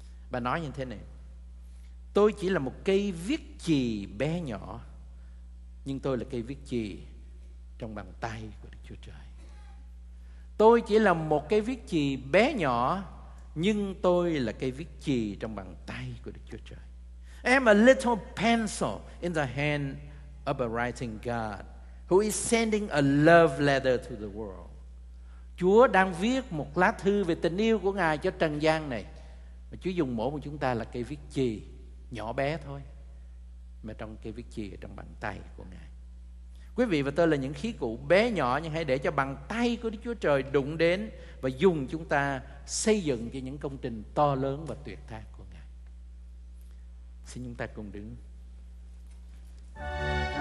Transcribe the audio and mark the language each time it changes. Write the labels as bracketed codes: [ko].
[vi] Bà nói như thế này: tôi chỉ là một cây viết chì bé nhỏ, nhưng tôi là cây viết chì trong bàn tay của Đức Chúa Trời. Tôi chỉ là một cây viết chì bé nhỏ, nhưng tôi là cây viết chì trong bàn tay của Đức Chúa Trời. [en] I'm a little pencil in the hand of a writing God who is sending a love letter to the world. [vi] Chúa đang viết một lá thư về tình yêu của Ngài cho trần gian này. Mà Chúa dùng mỗi một chúng ta là cây viết chì nhỏ bé thôi, mà trong cây viết chì trong bàn tay của Ngài. Quý vị và tôi là những khí cụ bé nhỏ, nhưng hãy để cho bàn tay của Đức Chúa Trời đụng đến và dùng chúng ta xây dựng cho những công trình to lớn và tuyệt thác của Ngài. Xin chúng ta cùng đứng.